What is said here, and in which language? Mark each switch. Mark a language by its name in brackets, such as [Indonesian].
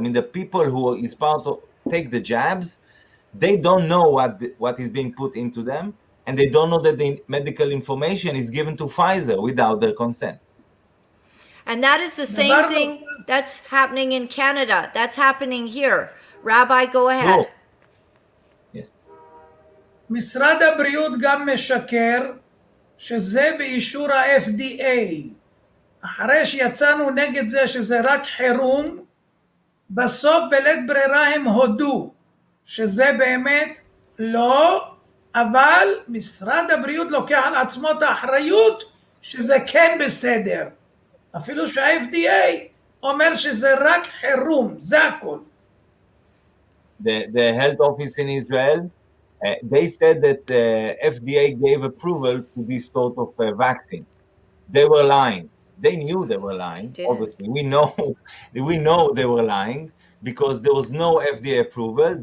[English] I mean, the people who is part of take the jabs, they don't know what is being put into them, and they don't know that the medical information is given to Pfizer without their consent. And that is the same thing that's happening in Canada. That's happening here. Rabbi, go ahead. Yes. [Hebrew] משרד הבריאות גם משקר שזה באישור ה-FDA. אחרי שיצאנו נגד זה שזה רק חירום, בסוף בלית ברירה הם הודו שזה באמת לא, אבל משרד הבריאות לוקח על עצמו את האחריות שזה כן בסדר. אפילו שה-FDA אומר שזה רק חירום, זה הכל. [English] The health office in Israel, they said that the FDA gave approval to this sort of vaccine. They were lying. They knew they were lying, obviously. We know they were lying, because there was no FDA approval.